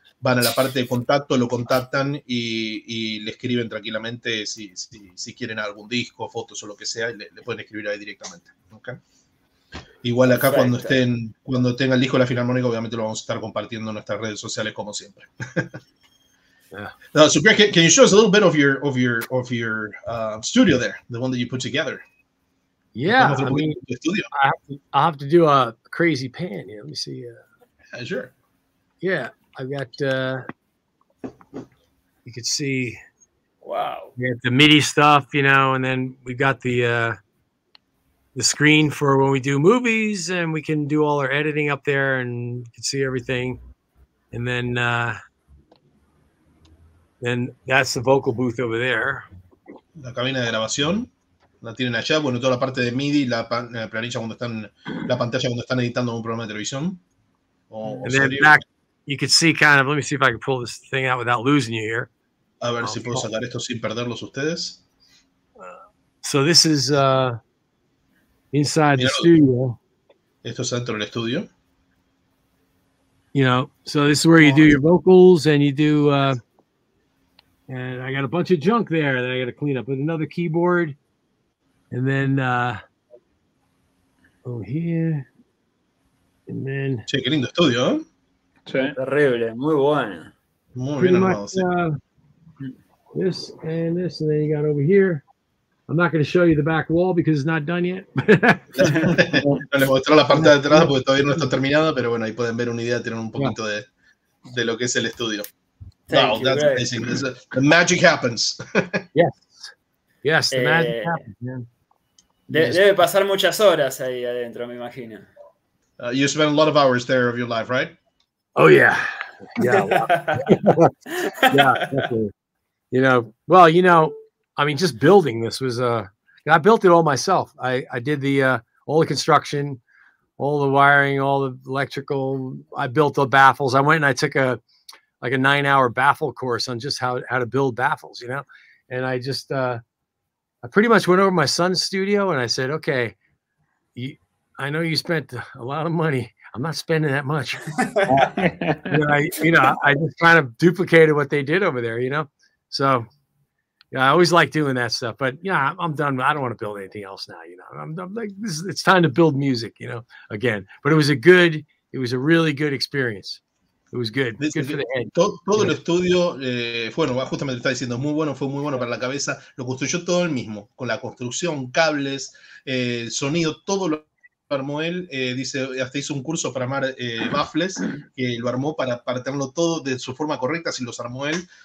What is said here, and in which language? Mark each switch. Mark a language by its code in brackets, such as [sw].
[es] van a la parte de contacto, lo contactan y le escriben tranquilamente si quieren algún disco, fotos o lo que sea, y le pueden escribir ahí directamente. ¿Okay? Igual acá, perfecto, cuando tenga el disco de la Filarmónica, obviamente lo vamos a estar compartiendo en nuestras redes sociales como siempre. [en] Yeah. So Greg, can you show us a little bit of your studio there, the one that you put together? Yeah, I have to do a crazy pan here. Let me see. Yeah, sure. Yeah, I've got, you can see. Wow. We have the MIDI stuff, you know, and then we've got the screen for when we do movies, and we can do all our editing up there and you can see everything. And then that's the vocal booth over there. [es] La cabina de grabación. La tienen allá, bueno, toda la parte de MIDI, la pantalla cuando están editando un programa de televisión. [en] And then back, you could see kind of, let me see if I can pull this thing out without losing you here. [es] A ver si puedo sacar esto sin perderlos ustedes. [en] So this is inside the studio. [es] Esto es dentro del estudio. [en] You know, so this is where you do your vocals and you do, and I got a bunch of junk there that I got to clean up with another keyboard. And then over here, and then. [es] Che, qué lindo estudio, ¿eh? Sí. Terrible, muy bueno. Muy bien armado, sí. [en] This and this, and then you got over here. I'm not going to show you the back wall because it's not done yet. [es] No les mostré la parte de atrás porque todavía no está terminada, pero bueno, ahí pueden ver una idea, tener un poquito de lo que es el estudio. [en] Thank wow, that's great. Amazing. The magic happens. Yes. Yes, the magic happens, man. [es] Debe pasar muchas horas ahí adentro, me imagino. [en] You spend a lot of hours there of your life, right? Oh, yeah. Yeah. Yeah, definitely. You know, well, you know, I mean, just building this was, I built it all myself. I did the, all the construction, all the wiring, all the electrical. I built the baffles. I went and I took a 9-hour baffle course on just how to build baffles, you know? And I just, I pretty much went over my son's studio and I said, okay, I know you spent a lot of money. I'm not spending that much. I just kind of duplicated what they did over there, you know? So yeah, I always like doing that stuff, but yeah, I'm done. I don't want to build anything else now, you know, I'm like, this is, it's time to build music, you know, again, but it was a really good experience. It was good. [es] Todo el estudio, bueno, justamente está diciendo, muy bueno, fue muy bueno para la cabeza. Lo construyó todo él mismo, con la construcción, cables, sonido, todo lo armó él. Dice, hasta hizo un curso para armar baffles, que lo armó para tenerlo todo de su forma correcta, si los armó él.